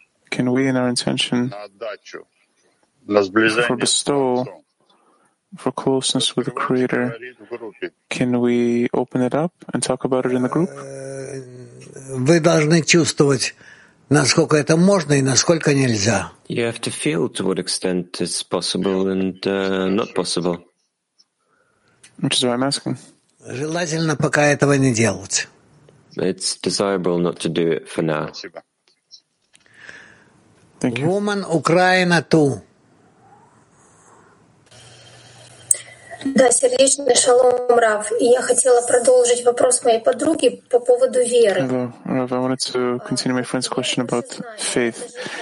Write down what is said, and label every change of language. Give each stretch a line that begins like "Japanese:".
English: Can we in our intention for bestowal, for closeness with the Creator, can we open it up and talk about it in the group?
Russian: Вы должны чувствовать, насколько это можно и насколько нельзя.
English: You have to feel to what extent it's possible and not possible. Which is why I'm asking.
Russian: Желательно пока этого не делать.
English: It's desirable not to do it for now. Thank you. Woman, Ukraine, too.
Russian: Да, сердечный шалом, Рав. И я хотела продолжить вопрос моей подруги по поводу веры.
English: Hello, Rav. I wanted to continue my friend's question about faith.